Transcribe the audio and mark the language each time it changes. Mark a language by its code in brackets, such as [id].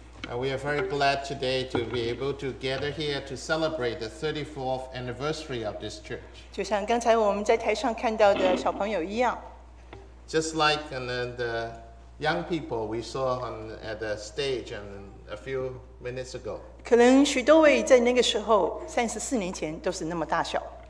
[en] We are very glad today to be able to gather here to celebrate the 34th anniversary of this church. [zh] 就像刚才我们在台上看到的小朋友一样。 [en] Just like the young people we saw at the stage and a few minutes ago. [zh] 可能许多位在那个时候34年前都是那么大小。